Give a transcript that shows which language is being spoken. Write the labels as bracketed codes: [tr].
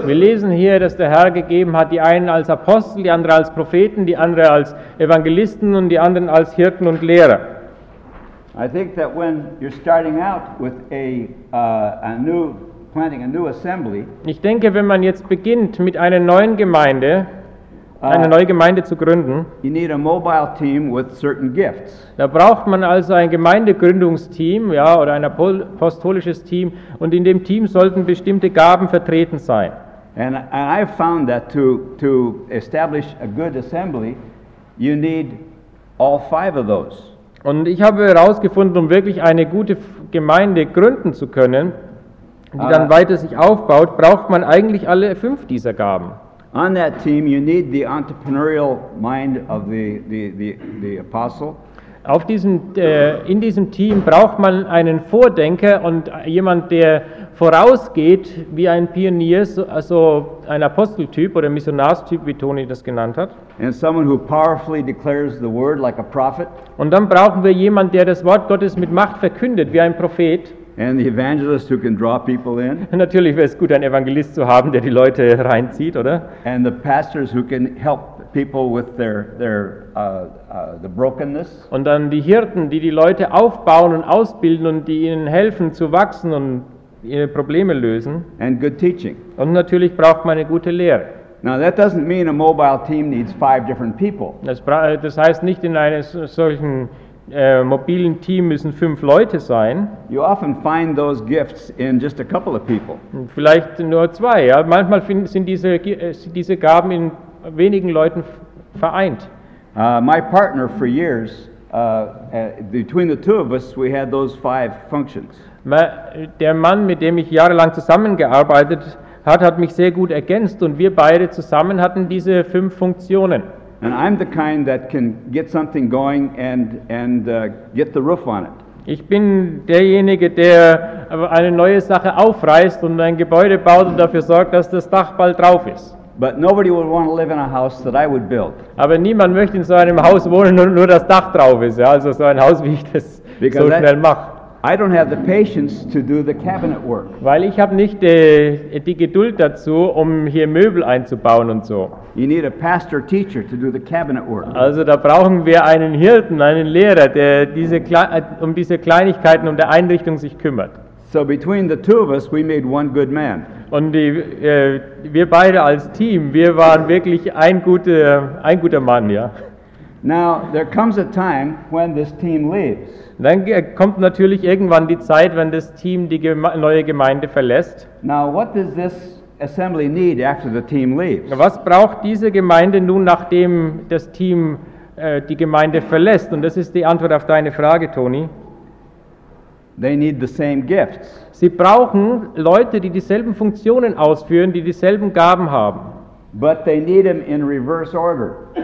[de] Wir lesen hier, dass der Herr gegeben hat, die einen als Apostel, die andere als Propheten, die andere als Evangelisten und die anderen als Hirten und Lehrer. [en] I think that when you're starting out with planting a new assembly. [de] Ich denke, wenn man jetzt beginnt mit einer neuen Gemeinde, eine neue Gemeinde zu gründen. [en] You need a mobile team with certain gifts. [de] Da braucht man also ein Gemeindegründungsteam, ja, oder ein apostolisches Team, und in dem Team sollten bestimmte Gaben vertreten sein. [en] And I found that to establish a good assembly, you need all 5 of those. [de] Und ich habe herausgefunden, um wirklich eine gute Gemeinde gründen zu können, die dann weiter sich aufbaut, braucht man eigentlich alle 5 dieser Gaben. [en] On that team you need the entrepreneurial mind of the apostle. [de] Auf diesem in diesem Team braucht man einen Vordenker und jemand, der vorausgeht wie ein Pionier, also ein Aposteltyp oder Missionarstyp, wie Tony das genannt hat. [en] And someone who powerfully declares the word like a prophet. [de] Und dann brauchen wir jemand, der das Wort Gottes mit Macht verkündet wie ein Prophet. [en] And the evangelist who can draw people in. [de] Natürlich wäre es gut, einen Evangelist zu haben, der die Leute reinzieht, oder? [en] And the pastors who can help people with the brokenness. [de] Und dann die Hirten, die die Leute aufbauen und ausbilden und die ihnen helfen zu wachsen und ihre Probleme lösen. [en] And good teaching. [de] Und natürlich braucht man eine gute Lehre. [en] Now that doesn't mean a mobile team needs 5 different people. [de] Das heißt nicht, in einem solchen mobilen Team müssen 5 Leute sein. [en] You often find those gifts in just a couple of people. [de] Vielleicht nur 2. Ja. Manchmal sind diese Gaben in wenigen Leuten vereint. [en] My partner for years, between the two of us, we had those five functions. [de] Der Mann, mit dem ich jahrelang zusammengearbeitet hat mich sehr gut ergänzt und wir beide zusammen hatten diese fünf Funktionen. [en] And I'm the kind that can get something going and get the roof on it. [de] Ich bin derjenige, der eine neue Sache aufreißt und ein Gebäude baut und dafür sorgt, dass das Dach bald drauf ist. [en] But nobody would want to live in a house that I would build. [de] Aber niemand möchte in so einem Haus wohnen, nur das Dach drauf ist, ja? Also so ein Haus, wie ich das [en] Because [de] so schnell mache. [en] I don't have the patience to do the cabinet work. [de] Weil ich habe nicht die Geduld dazu, um hier Möbel einzubauen und so. [en] You need a pastor teacher to do the cabinet work. [de] Also da brauchen wir einen Hirten, einen Lehrer, der diese Kleinigkeiten um der Einrichtung sich kümmert. [en] So between the two of us we made one good man. [de] Und wir beide als Team, wir waren wirklich ein guter Mann, ja. [en] Now there comes a time when this team leaves. [de] Dann kommt natürlich irgendwann die Zeit, wenn das Team die neue Gemeinde verlässt. [en] Now what does this assembly need after the team leaves? [de] Was braucht diese Gemeinde nun, nachdem das Team die Gemeinde verlässt? Und das ist die Antwort auf deine Frage, Tony. [en] They need the same gifts. [de] Sie brauchen Leute, die dieselben Funktionen ausführen, die dieselben Gaben haben. [en] But they need them in reverse order.